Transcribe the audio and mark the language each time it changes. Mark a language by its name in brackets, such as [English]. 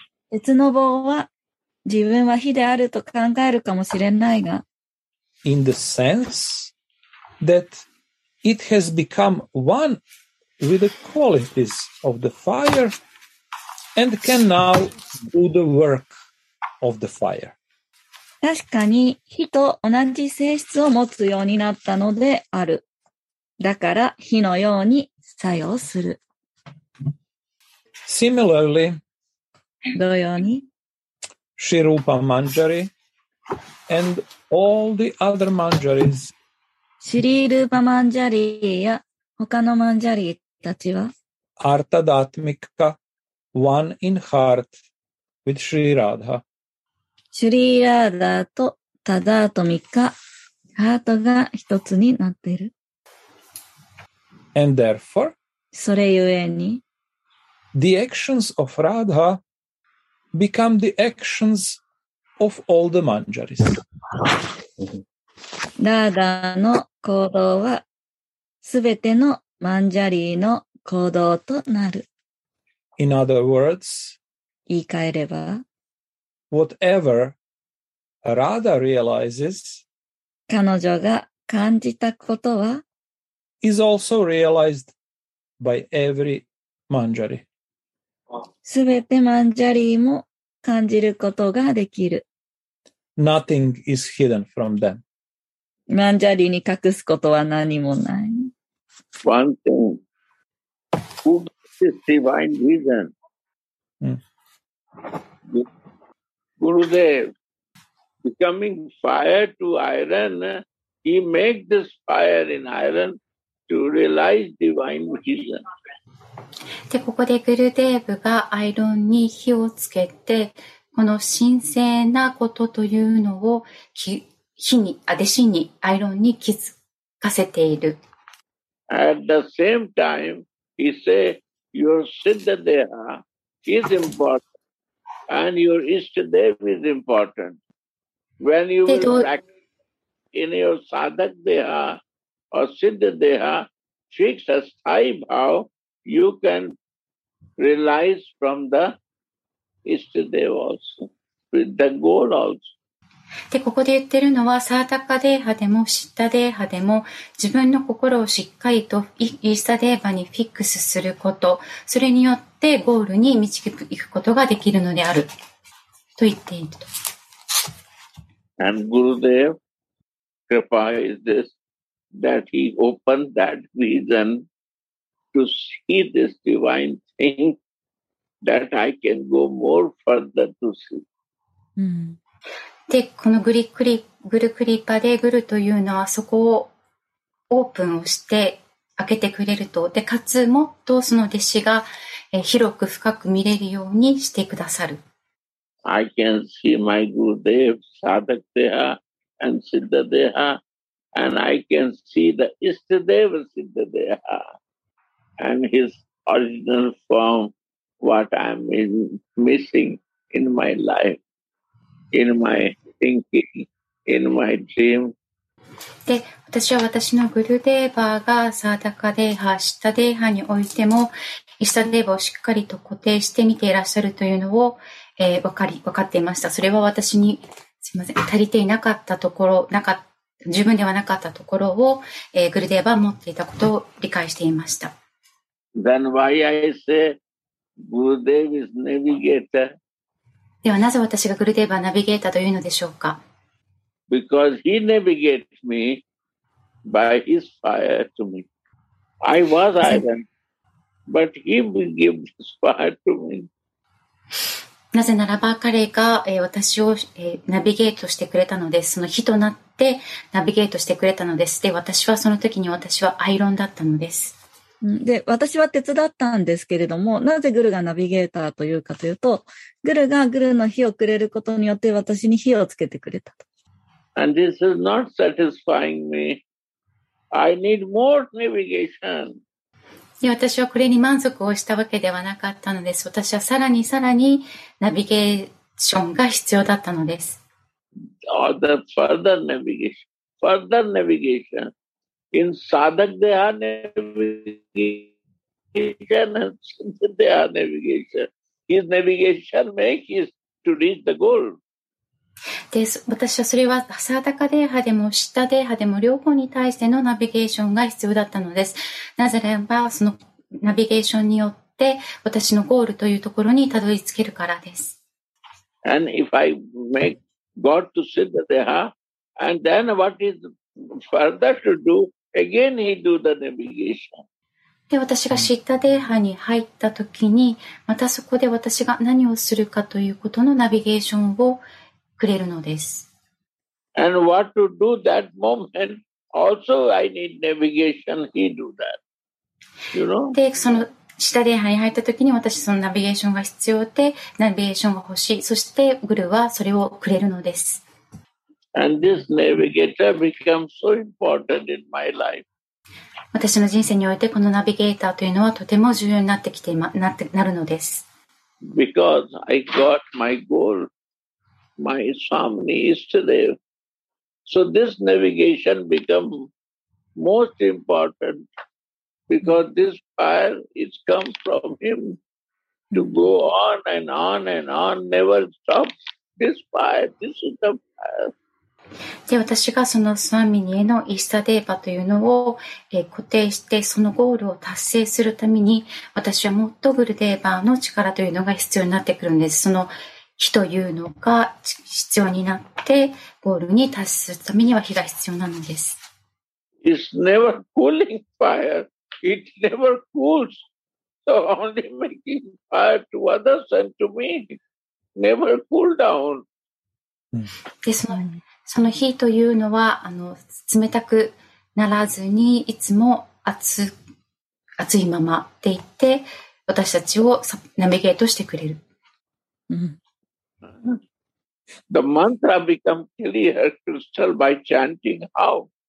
[Japanese] 鉄の棒は自分は火であると考えるかもしれないが。 [English] In the sense that it has become one with the qualities of the fire and can now do the work of the fire. [Japanese] 確かに火と同じ性質を持つようになったのである。だから火のように作用する。 [English] Similarly, [Japanese] 同様に、 [English] Shri Rupa Manjari and all the other Manjaris, [Japanese] Shri Rupa Manjari や他のマンジャリたちは、 [English] Artadatmika, one in heart with Shri Radha. [Japanese] シュリーラーダーとタダートミカ、ハートが一つになっている。 [English] And therefore, [Japanese] それゆえに、 [English] The actions of Radha become the actions of all the Manjaris. [Japanese] ラーダーの行動は、すべてのマンジャリーの行動となる。 [English] In other words, [Japanese] 言い換えれば、 [English] Whatever Radha realizes, [Japanese] 彼女が感じたことは [English] is also realized by every Manjari. [Japanese] すべてマンジャリーも感じることができる。 [English] Nothing is hidden from them. [Japanese] マンジャリーに隠すことは何もない。 [English] One thing. Who is divine reason?、Gurudev, becoming fire to iron, he makes this fire in iron to realize divine vision. [Japanese] で、ここでグルデーブがアイロンに火をつけて、この神聖なことというのを火に、あ、弟子に、アイロンに気づかせている。 [English] At the same time, he says, your Siddhadeha is important. And your Ishtadev is important. When you will practice in your Sadhak Deha or Siddha Deha, fix a sthayi bhav, you can realize from the Ishtadev also, with the goal also. [Japanese] で、ここで言ってるのは、サーダカデーハでもシッタデーハでも、自分の心をしっかりとイースタデーバにフィックスすること、それによってでゴールに導くことができるのであると言っていると。 [English] And Gurudev Kripa is this that he opened that vision to see this divine thing that I can go more further to see、 [Japanese] でこのグルクリパでグルというのはそこをオープンをして開けてくれると。でかつもっとその弟子が広く深く見れるようにしてくださる。 [English] I can see my Gurudev, Sadhak Deha and Siddha Deha, and I can see the Ishtadev Siddha Deha and his original form, what I'm missing in my life, in my thinking, in my dream. [Japanese] で私は私のグルデーバーがサーダカデーハ、シッタデーハにおいてもイシタデーバーをしっかりと固定して見ていらっしゃるというのを、分かっていました。それは私にすみません足りていなかったところなか十分ではなかったところを、グルデーバーを持っていたことを理解していました。 [English] Then why I say Gurudev is navigator? [Japanese] ではなぜ私がグルデーバーナビゲーターというのでしょうか。 [English] Because he navigates me by his fire to me. I was iron, but he will give his fire to me. [Japanese] なぜならば彼が私をナビゲートしてくれたのです。その火となってナビゲートしてくれたのです。で、私はその時に私はアイロンだったのです。で、私は鉄だったんですけれども、なぜグルがナビゲーターというかというと、グルがグルの火をくれることによって私に火をつけてくれたと。 [English] And this is not satisfying me. I need more navigation. [Japanese] いや、私はこれに満足をしたわけではなかったのです。私はさらにさらにナビゲーションが必要だったのです。 [English] Other further navigation. In sadhak, they are navigation and sadhya, they are navigation. His navigation makes his to reach the goal. [Japanese] で私はそれはサータカデーハでもシッタデーハでも両方に対してのナビゲーションが必要だったのです。なぜならばそのナビゲーションによって私のゴールというところにたどり着けるからです。 [English] And if I make God to sit at the heart, and then what is further to do, again he do the navigation. [Japanese] で私がシッタデーハに入った時に、またそこで私が何をするかということのナビゲーションをくれるのです。 [English] And what to do that moment, also I need navigation, he do that. You know? [Japanese] で、そのシッタデーハに入った時に私そのナビゲーションが必要で、ナビゲーションが欲しい。そしてグルはそれをくれるのです。 [English] And this navigator becomes so important in my life. [Japanese] 私の人生においてこのナビゲーターというのはとても重要になってきて、ま、なってなるのです。 [English] Because I got my goal, my somni is today. So this navigation become most important because this fire is come from him to go on and on and on, never stop. This fire, this is the fire. [Japanese] で私がそのスワミニへのイスタデーバというのを、固定してそのゴールを達成するために私はもっとグルデーバーの力というのが必要になってくるんです。その火というのが必要になってゴールに達成するためには火が必要なのです。 [English] It's never cooling fire. It never cools. So only making fire to others and to me. Never cool down. [Japanese] ですもんね。その火というのは冷たくならずにいつも熱いままでいって私たちをナビゲートしてくれる。 [English] The mantra become clear crystal by chanting how?